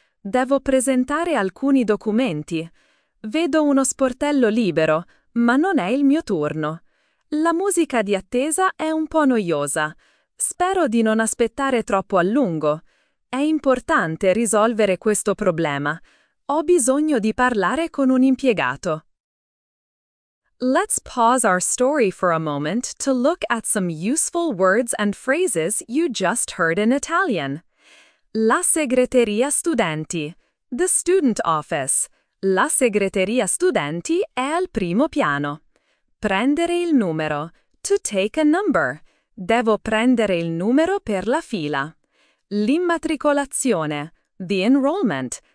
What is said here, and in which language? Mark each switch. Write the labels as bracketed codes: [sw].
[it] Devo presentare alcuni documenti. Vedo uno sportello libero, ma non è il mio turno. La musica di attesa è un po' noiosa. Spero di non aspettare troppo a lungo. È importante risolvere questo problema. Ho bisogno di parlare con un impiegato. [en] Let's pause our story for a moment to look at some useful words and phrases you just heard in Italian. [it] La segreteria studenti. [en] The student office. [it] La segreteria studenti è al primo piano. Prendere il numero. [en] To take a number. [it] Devo prendere il numero per la fila. L'immatricolazione. [en] The enrollment.